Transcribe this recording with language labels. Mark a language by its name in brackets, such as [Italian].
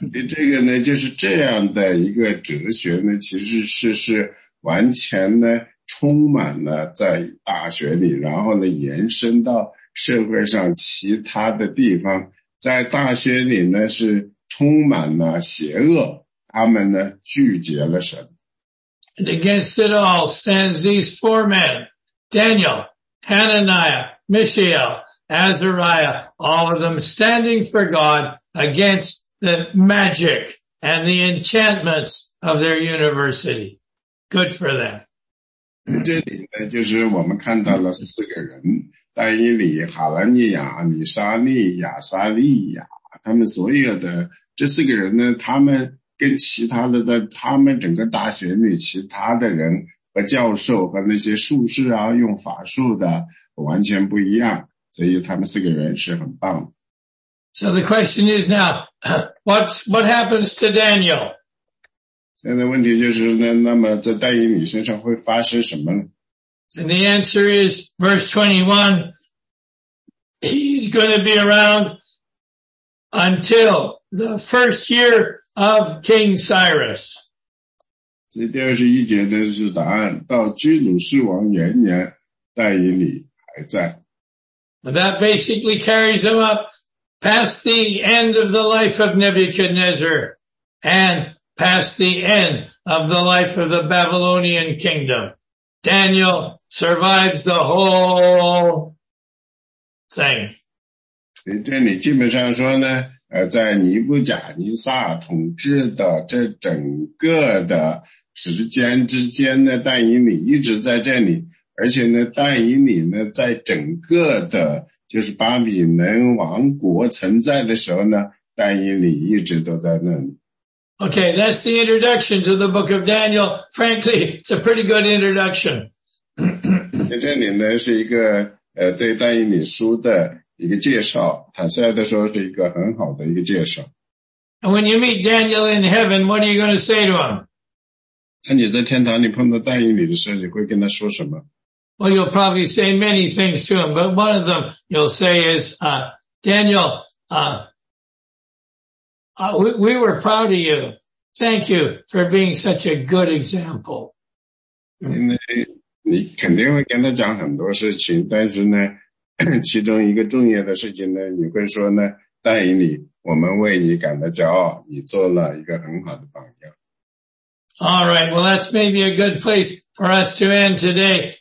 [Chinese] 这个呢，就是这样的一个哲学呢，其实是完全呢，充满了在大学里，然后呢，延伸到社会上其他的地方。在大学里呢，是充满了邪恶，他们呢拒绝了神。 [English] And against it all stands these four men, Daniel, Hananiah, Mishael, Azariah, all of them standing for God against the magic and the enchantments of their university. Good for them. [Chinese] 这里呢就是我们看到了四个人，但以理、哈兰尼亚、米沙利亚、撒利亚，他们所有的这四个人呢，他们跟其他的在他们整个大学里其他的人和和教授和那些术士啊用法术的完全不一样，所以他们四个人是很棒的。 [English] So the question is now, what happens to Daniel? [Chinese] 现在问题就是呢，那么在但以理身上会发生什么呢？ [English] And the answer is, verse 21, he's going to be around until the first year of King Cyrus. [Chinese] 所以第二十一节的是答案，到居鲁士王元年，但以理还在。 [English] But that basically carries him up. Past the end of the life of Nebuchadnezzar and past the end of the life of the Babylonian kingdom. Daniel survives the whole thing. [Chinese] 这里基本上说呢，在尼布甲尼撒统治的这整个的时间之间呢，但以理一直在这里，而且呢，但以理呢，在整个的就是巴比伦王国存在的时候呢，但以理一直都在那里。 [English] Okay, that's the introduction to the book of Daniel. Frankly, it's a pretty good introduction. [Chinese] 这里呢是一个对但以理书的一个介绍，坦率地说是一个很好的一个介绍。 [English] And when you meet Daniel in heaven, what are you going to say to him? [Chinese] 那你在天堂你碰到但以理的时候，你会跟他说什么？ [English] Well, you'll probably say many things to him, but one of them you'll say is, Daniel, we were proud of you. Thank you for being such a good example. [Chinese] 你肯定会跟他讲很多事情，但是呢，其中一个重要的事情呢，你会说呢，但以理，我们为你感到骄傲，你做了一个很好的榜样。 [English] All right, well, that's maybe a good place for us to end today.